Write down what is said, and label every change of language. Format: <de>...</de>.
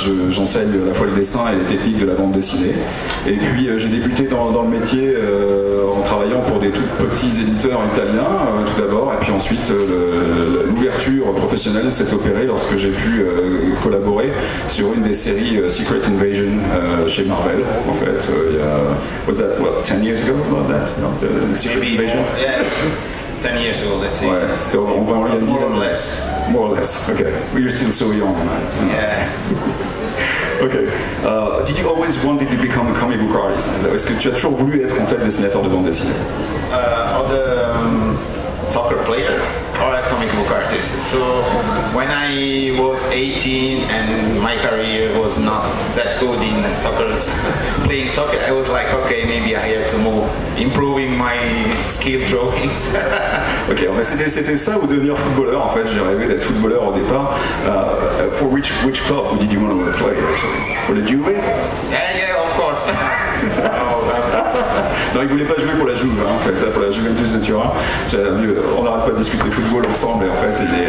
<fr>J'enseigne à la fois le dessin et les techniques de la bande dessinée. Et puis j'ai débuté dans le métier en travaillant pour des tout petits éditeurs italiens tout d'abord, et puis ensuite l'ouverture professionnelle s'est opérée lorsque j'ai pu collaborer sur une des séries Secret Invasion chez Marvel. En fait,</fr> <en>was that what 10 years ago about that? No, Secret Maybe Invasion. More, yeah, 10 years ago. Let's see.</en> <fr>Ouais, c'était on va en dire 10</fr> <en>ans. More or less. More or less. Okay. But you're still so young, man. Yeah. Okay. Did you always wanted to become a comic book artist?</en> <fr>Est-ce que tu as toujours voulu être en fait dessinateur de bande dessinée?</fr> <en>Soccer player or a comic book artist. So when I was 18 and my career was not that good in soccer, playing soccer, I was like, okay, maybe I have to move, improving my skill drawings.</en> <fr>Okay, mais c'était ça ou devenir footballeur en fait. J'ai rêvé d'être footballeur au départ.</fr> <en>For which club did you want to play? For the Juve? Yeah, of course.</en> <fr>Non, il voulait pas jouer pour la Juve, hein, en fait, pour la Juventus de Turin. On n'arrête pas de discuter football ensemble, en fait.</fr>